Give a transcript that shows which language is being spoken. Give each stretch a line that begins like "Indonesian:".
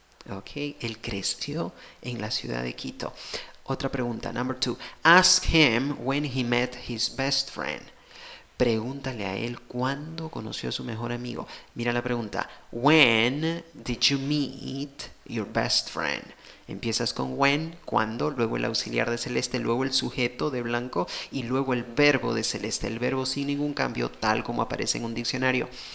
Spanish: Ok, él creció en la ciudad de Quito. Otra pregunta,
English: number two. Ask him when he met his best friend.
Spanish: Pregúntale a él cuándo conoció a su mejor amigo. Mira la pregunta.
English: When did you meet your best friend?
Spanish: Empiezas con when, cuándo, luego el auxiliar de celeste, luego el sujeto de blanco y luego el verbo de celeste. El verbo sin ningún cambio, tal como aparece en un diccionario.